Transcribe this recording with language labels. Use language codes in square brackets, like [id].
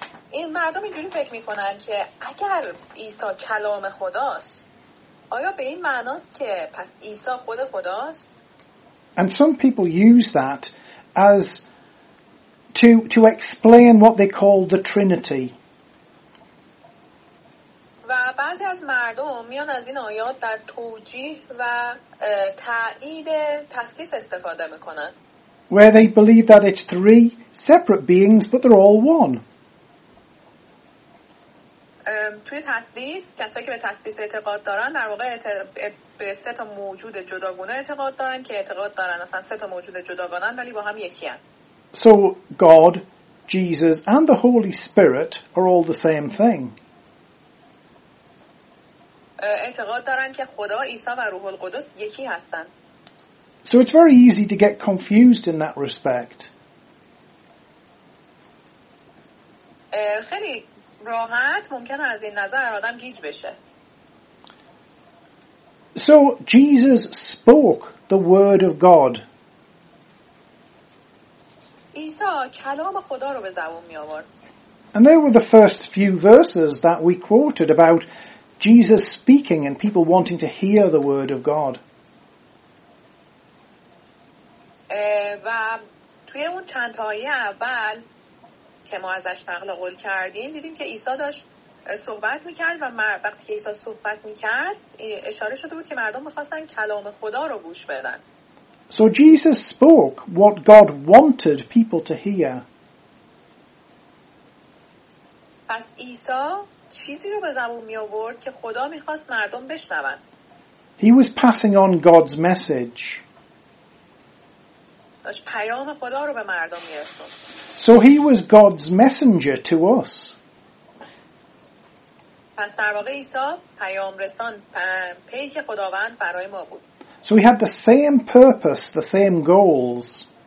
[fa] این مردم اینجوری فکر میکنن که اگر عیسی کلام خداست، آیا به این معناست که پس عیسی خود خداست؟ [en] And some people use that as to explain what they call the Trinity. [fa] و بعضی از مردم میان از این آیات در توجیه و تأیید تثلیث استفاده میکنن. [en] where they believe that it's three separate beings, but they're all one. [fa] توی تثلیث کسایی که به تثلیث اعتقاد دارن در واقع به سه تا موجود جداگانه اعتقاد دارن که اعتقاد دارن اصلا سه تا موجود جداگانن ولی با هم یکی هن. [en] So God, Jesus and the Holy Spirit are all the same thing. [fa] اعتقاد دارن که خدا، عیسی و روح القدس یکی هستن. [en] So it's very easy to get confused in that respect. [fa] خیلی راحت ممکن از این نظر آدم گیج بشه. [en] So Jesus spoke the word of God. [fa] عیسی کلام خدا رو به زبان می آورد. [en] And there were the first few verses that we quoted about Jesus speaking and people wanting to hear the word of God. [fa] و توی اون چند آیه اول که ما ازش نقل قول کردیم دیدیم که عیسی داشت صحبت میکرد و وقتی که عیسی صحبت میکرد اشاره شده بود که مردم میخواستن کلام خدا رو گوش بدن. [en] So Jesus spoke what God wanted people to hear. [fa] پس عیسی چیزی رو به زبون می آورد که خدا میخواست مردم بشنون. [en] He was passing on God's message. [fa] داشت پیام خدا رو به مردم میرسون. [en] So he was God's messenger to us. [fa] پس در واقع عیسی پیام رسان پیک خداوند برای ما بود. [en] So he had the same purpose, the same goals.